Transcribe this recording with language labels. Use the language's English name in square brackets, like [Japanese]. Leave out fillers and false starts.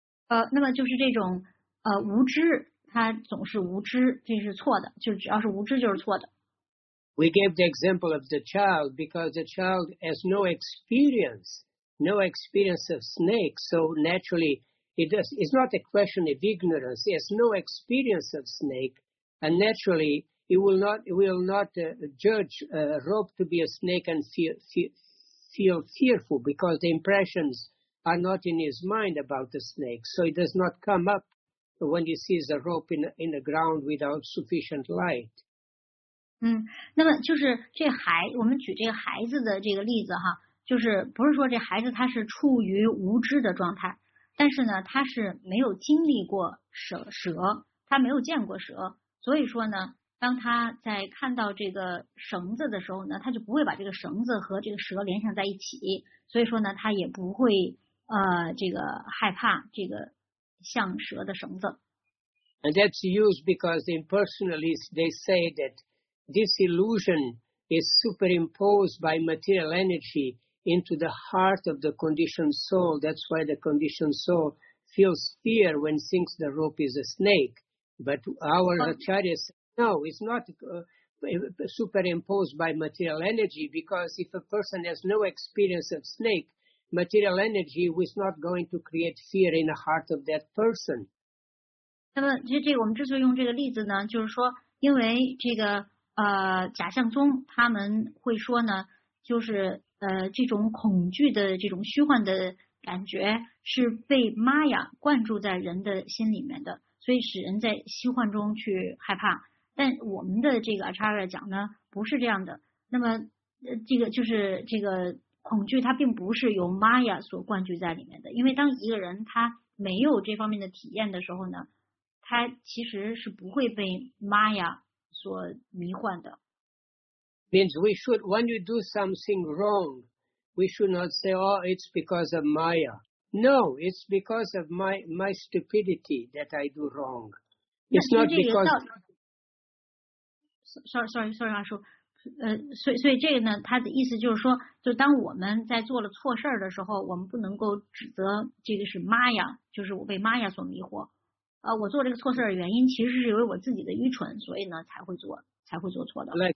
[Chinese] 那么就是这种无知，它总是无知，这是错的，就只要是无知就是错的。 [English] We gave the example of the child because the child has no experience of snakes, so naturallyIt's not a question of ignorance. He has no experience of snake, and naturally, he will not judge rope to be a snake and feel fearful because the impressions are not in his mind about the snake. So it does not come up when he sees a rope in the ground without sufficient light. [Chinese] 那么就是这孩，我们举这个孩子的这个例子哈，就是不是说这孩子他是处于无知的状态。但是呢他是没有经历过蛇，他没有见过蛇，所以说呢当他在看到这个绳子的时候呢，他就不会把这个绳子和这个蛇联想在一起，所以说呢他也不会这个害怕这个像蛇的绳子。 [English] And that's used because the impersonalists, they say that this illusion is superimposed by material energyinto the heart of the conditioned soul. That's why the conditioned soul feels fear when thinks the rope is a snake. But our acharya says, no, it's not, superimposed by material energy, because if a person has no experience of snake, material energy is not going to create fear in the heart of that person. [Chinese] 那么其实这个我们之所以用这个例子呢，就是说因为这个假象宗他们会说呢，就是这种恐惧的这种虚幻的感觉是被玛雅灌注在人的心里面的，所以使人在虚幻中去害怕。但我们的这个阿查尔讲呢不是这样的，那么这个就是这个恐惧它并不是由玛雅所灌注在里面的，因为当一个人他没有这方面的体验的时候呢，他其实是不会被玛雅所迷幻的。 [English] Means we should, when you do something wrong, we should not say, oh, it's because of Maya. No, it's because of my stupidity that I do wrong. It's not because. Sorry, [Chinese] 阿叔。所以这个呢，他的意思就是说，就当我们在做了错事儿的时候，我们不能够指责这个是 Maya， 就是我被 Maya 所迷惑。我做这个错事儿的原因，其实是因为我自己的愚蠢，所以呢才会做错的。